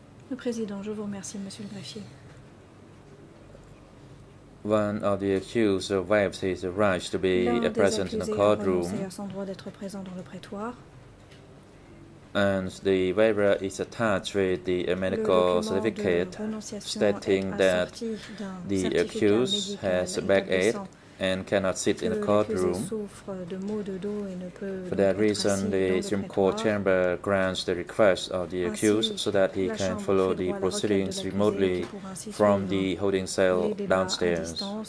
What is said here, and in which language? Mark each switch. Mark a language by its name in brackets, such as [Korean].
[French] Le président, je vous remercie, Monsieur le Greffier. [English] One of the accused waives his right to be present in the courtroom. [French] L'un des accusés a son droit d'être présent dans le prétoire. [English] And the waiver is attached with the medical certificate stating that the accused has backache and cannot sit in the courtroom. For that reason, the Supreme Court chamber grants the request of the accused so that he can follow the proceedings remotely from the holding cell downstairs.